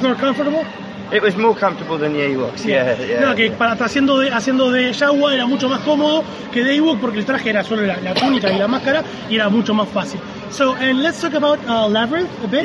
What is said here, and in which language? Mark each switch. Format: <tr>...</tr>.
<en>Much more comfortable? It was more comfortable than the Ewoks, yeah.</en> <es>No, que para estar haciendo de Jawa era mucho más cómodo que de Ewok porque el traje era solo la túnica y la máscara y era mucho más fácil.</es> <en>So, and let's talk about Labyrinth a bit.</en>